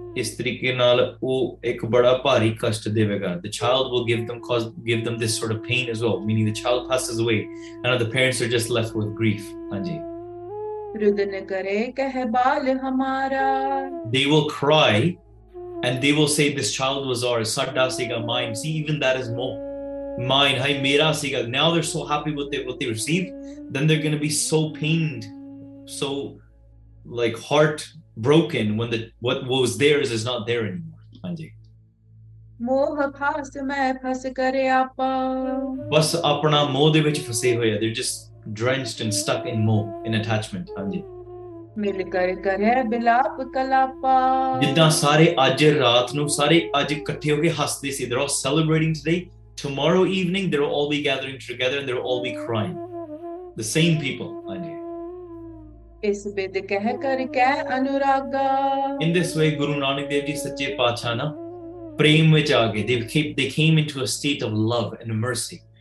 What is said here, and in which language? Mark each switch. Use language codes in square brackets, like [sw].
[pa] ਇਸ ਤਰੀਕੇ ਨਾਲ ਉਹ ਇੱਕ ਬੜਾ ਭਾਰੀ ਕਸ਼ਟ ਦੇਵੇਗਾ. [en] The child will give them this sort of pain as well, meaning the child passes away and the parents are just left with grief. ਹਾਂਜੀ. [pa] ਰੁਦਨ ਕਰੇ ਕਹਿ ਬਾਲ ਹਮਾਰਾ. [en] They will cry and they will say, this child was ours. [pa] ਸਾਡਾ ਸੀਗਾ, [en] mine. See, even that is more. Mine, [pa] hai mera siga. [en] Now they're so happy with what they received, then they're going to be so pained, so like heart broken when the what was theirs is not there anymore. Anji. [pa] Moha phas main phas kare apa. Bas apna moh de vich phase hoye, [en] they're just drenched and stuck in moh, in attachment. Anji. [pa] ਮਿਲ ਕਰ ਕਰੇ ਬਿਲਾਪ ਕਲਾਪਾ. ਜਿੱਦਾਂ ਸਾਰੇ ਅੱਜ ਰਾਤ ਨੂੰ ਸਾਰੇ ਅੱਜ ਇਕੱਠੇ ਹੋ ਕੇ ਹੱਸਦੇ ਸੀ. [en] They're all celebrating today. Tomorrow evening, they'll all be gathering together and they'll all be crying. The same people. In this way, Guru Nanak Dev Ji, Sache Pachana, [pa] Prem Vich Aage, [en] they came into a state of love and mercy.